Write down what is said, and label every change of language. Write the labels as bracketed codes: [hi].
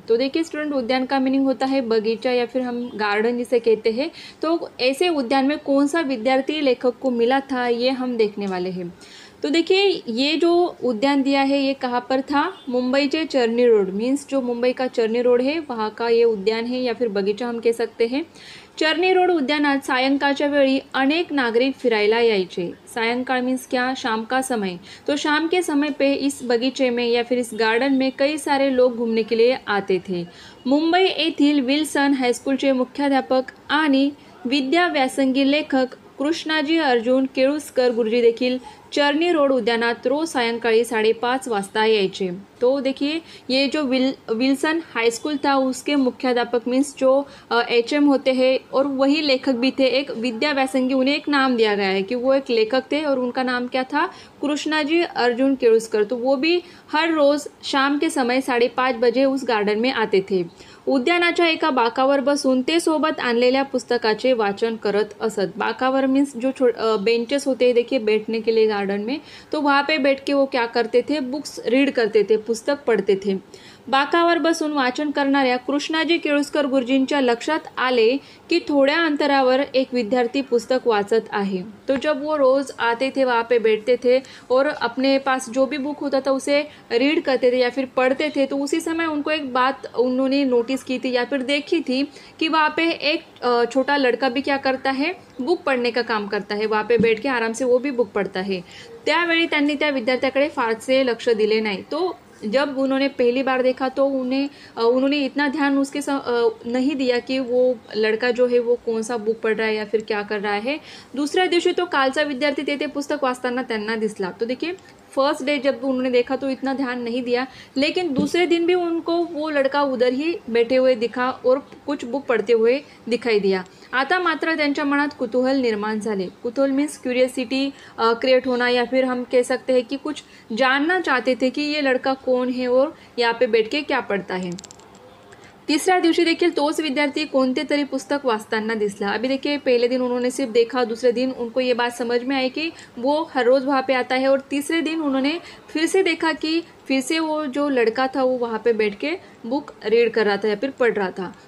[hi] तो देखिए स्टूडेंट, उद्यान का मीनिंग होता है बगीचा या फिर हम गार्डन जिसे कहते हैं। तो ऐसे उद्यान में कौन सा विद्यार्थी लेखक को मिला था, ये हम देखने वाले हैं। तो देखिए, ये जो उद्यान दिया है ये कहाँ पर था, मुंबई के चरनी रोड, मीन्स जो मुंबई का चरनी रोड है वहाँ का ये उद्यान है या फिर बगीचा हम कह सकते हैं। [mr] चरनी रोड उद्यानात सायंकाळच्या वेळी अनेक नागरिक फिरायला यायचे। [hi] सायंकाळ मीन्स क्या, शाम का समय। तो शाम के समय पे इस बगीचे में या फिर इस गार्डन में कई सारे लोग घूमने के लिए आते थे। [mr] मुंबई येथील विल्सन हायस्कूलचे मुख्याध्यापक आणि विद्याव्यासंगी लेखक कृष्णाजी अर्जुन केळुसकर गुरुजी देखील चरनी रोड उद्यानात रोज सायंकाळी 5:30 वाजता यायचे। [hi] तो देखिए, ये जो विल्सन हाईस्कूल था उसके मुख्याध्यापक मीन्स जो HM होते हैं और वही लेखक भी थे, एक विद्या व्यासंगी, उन्हें एक नाम दिया गया है कि वो एक लेखक थे और उनका नाम क्या था, कृष्णाजी अर्जुन केळुसकर। तो वो भी हर रोज़ शाम के समय 5:30 बजे उस गार्डन में आते थे, [mr] उद्यानाच्या एका बाकावर बसून ते सोबत आणलेल्या पुस्तकाचे वाचन करत असत। [hi] बाकावर मीन्स जो बेंचेस होते हैं देखिए बैठने के लिए गार्डन में, तो वहाँ पे बैठ के वो क्या करते थे, बुक्स रीड करते थे, पुस्तक पढ़ते थे। [mr] बाकावर बसून वाचन करणाऱ्या कृष्णाजी केळुसकर गुरुजींच्या लक्षात आले की थोड्या अंतरावर एक विद्यार्थी पुस्तक वाचत आहे। [hi] तो जब वो रोज आते थे वहाँ पे बैठते थे और अपने पास जो भी बुक होता था उसे रीड करते थे या फिर पढ़ते थे, तो उसी समय उनको एक बात उन्होंने नोटिस की थी या फिर देखी थी कि वहाँ पे एक छोटा लड़का भी क्या करता है, बुक पढ़ने का काम करता है, वहाँ पे बैठ के आराम से वो भी बुक पढ़ता है। [mr] त्यावेळी त्यांनी त्या विद्यार्थ्याकडे फारसे लक्ष दिले नाही। [hi] तो जब उन्होंने पहली बार देखा तो उन्होंने इतना ध्यान उसके नहीं दिया कि वो लड़का जो है वो कौन सा बुक पढ़ रहा है या फिर क्या कर रहा है। [mr] दूसरा दिवसी तो कालचा विद्यार्थी तेथे पुस्तक वाचताना त्यांना दिसला। [hi] तो देखिए, फर्स्ट डे जब उन्होंने देखा तो इतना ध्यान नहीं दिया, लेकिन दूसरे दिन भी उनको वो लड़का उधर ही बैठे हुए दिखा और कुछ बुक पढ़ते हुए दिखाई दिया। [mr] आता मात्र त्यांच्या मनात कुतूहल निर्माण झाले। [hi] कुतूहल मीन्स क्यूरियसिटी क्रिएट होना या फिर हम कह सकते हैं कि कुछ जानना चाहते थे कि ये लड़का कौन है और यहाँ पे बैठ के क्या पढ़ता है। [mr] तीसरा दिवसी देखील तोच विद्यार्थी कोणते तरी पुस्तक वाचताना दिसला। [hi] अभी देखिए, पहले दिन उन्होंने सिर्फ देखा, दूसरे दिन उनको ये बात समझ में आई कि वो हर रोज वहाँ पे आता है, और तीसरे दिन उन्होंने फिर से देखा कि फिर से वो जो लड़का था वो वहाँ पे बैठ के बुक रीड कर रहा था या फिर पढ़ रहा था।